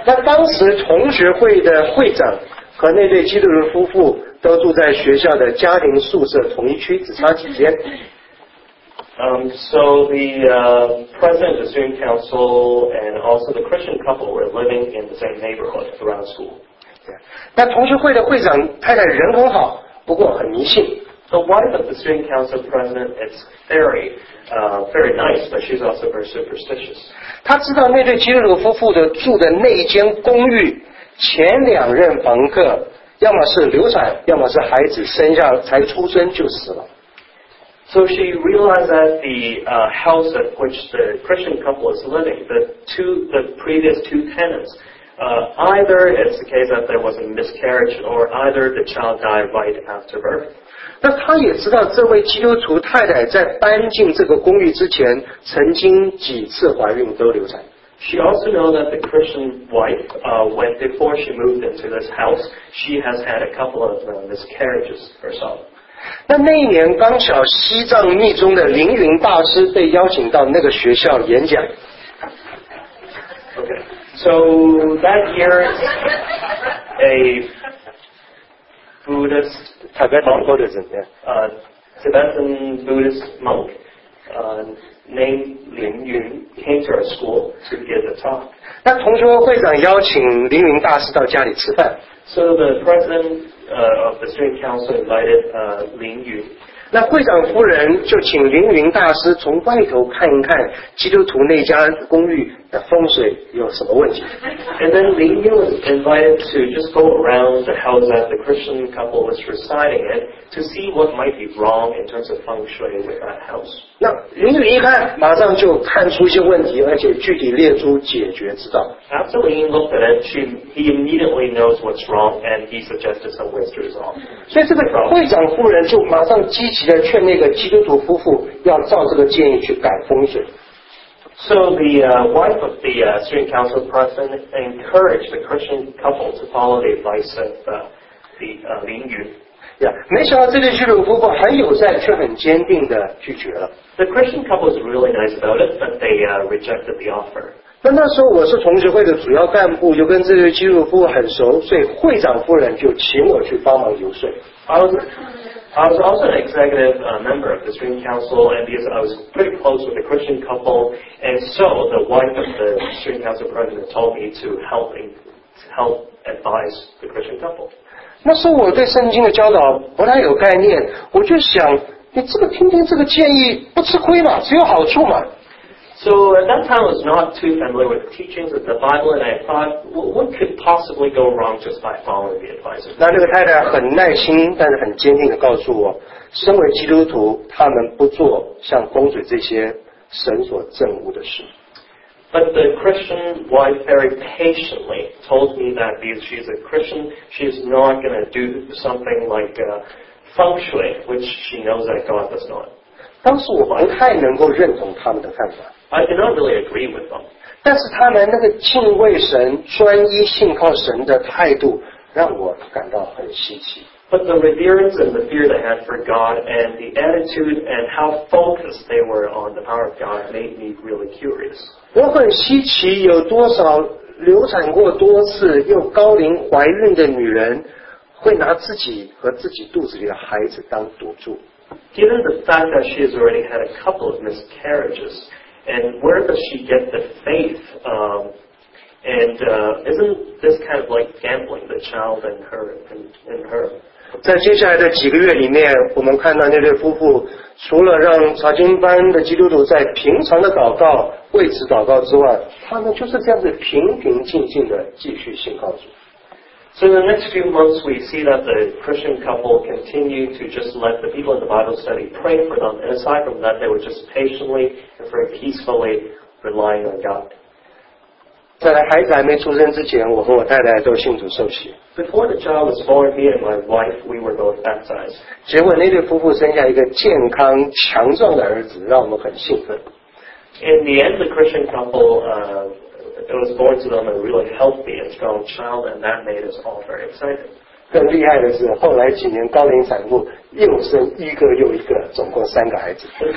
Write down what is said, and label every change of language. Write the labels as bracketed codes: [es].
[zh] 那当时同学会的会长和那对基督徒夫妇都住在学校的家庭宿舍同一区，只差几间。 [en] So the president of the student council and also the Christian couple were living in the same neighborhood around school. [zh] 那同学会的会长太太人很好，不过很迷信。 [en] The wife of the student council president is very nice, but she's also very superstitious. [zh] 她知道那对基督徒夫妇的住的那一间公寓，前两任房客要么是流产，要么是孩子生下才出生就死了。 [en] So she realized that the house at which the Christian couple is living, the previous two tenants, either it's the case that there was a miscarriage or either the child died right after birth. [zh] 那她也知道这位基督徒太太在搬进这个公寓之前曾经几次怀孕都流产。 [en] She also knows that the Christian wife, when before she moved into this house, she has had a couple of miscarriages herself. [zh] 那那一年刚巧西藏密宗的凌云大师被邀请到那个学校演讲。 [en] Okay, so that year a Buddhist Tibetan Buddhist monk named 凌云 came to our school to give a talk. [zh] 那同学会长邀请凌云大师到家里吃饭。 [en] So the president of the student council invited Lin Yun. [zh] 那会长夫人就请凌云大师从外头看一看基督徒那家公寓的风水有什么问题。 [en] And then Lin Yun was invited to just go around the house that the Christian couple was residing in to see what might be wrong in terms of feng shui with that house. [zh] 那凌云一看，马上就看出一些问题，而且具体列出解决之道。 [en] After Lin Yun looked at it, he immediately knows what's wrong and he suggested some ways to resolve. [zh] 所以这个会长夫人就马上积极地劝那个基督徒夫妇要照这个建议去改风水。 [en] So the wife of the student council president encouraged the Christian couple to follow the advice of Lin Yun. [zh] Yeah, 没想到这对基督徒夫妇很友善，却很坚定地拒绝了。 [en] The Christian couple is really nice about it, but they rejected the offer. [zh] 那那时候我是同学会的主要干部，又跟这对基督徒夫妇很熟，所以会长夫人就请我去帮忙游说。 [en] I was also an executive member of the student council, and because I was pretty close with the Christian couple, and so the wife of the student council president told me to help advise the Christian couple. [zh] 那时候我对圣经的教导不太有概念，我就想，你这个听听这个建议不吃亏嘛，只有好处嘛。 [en] So at that time I was not too familiar with the teachings of the Bible, and I thought, what could possibly go wrong just by following the advice? [zh] 那那个太太很耐心，但是很坚定地告诉我，身为基督徒，他们不做像风水这些神所憎恶的事。 [en] But the Christian wife very patiently told me that because she's a Christian, she's not going to do something like feng shui, which she knows that God does not. [zh] 当时我不太能够认同他们的看法。 [en] I did not really agree with them. [zh] 但是他们那个敬畏神、专一信靠神的态度，让我感到很稀奇。 [en] But the reverence and the fear they had for God, and the attitude and how focused they were on the power of God, made me really curious. [zh] 我很稀奇，有多少流产过多次又高龄怀孕的女人，会拿自己和自己肚子里的孩子当赌注。 [en] Given the fact that she has already had a couple of miscarriages, and where does she get the faith? Isn't this kind of like gambling the child and her? In her? [zh] 在接下来的几个月里面，我们看到那对夫妇除了让查经班的基督徒在平常的祷告为此祷告之外，他们就是这样子平平静静的继续信靠主。 [en] So in the next few months, we see that the Christian couple continue to just let the people in the Bible study pray for them. And aside from that, they were just patiently and very peacefully relying on God. [zh] 在孩子还没出生之前，我和我太太都信主受洗。 [en] Before the child was born, me and my wife, we were both baptized. [zh] 结果那对夫妇生下一个健康强壮的儿子，让我们很兴奋。 [en] In the end, the Christian couple, it was born to them a really healthy and strong child, and that made us all very excited. [zh] 更厉害的是，后来几年高龄产妇又生一个又一个，总共三个孩子。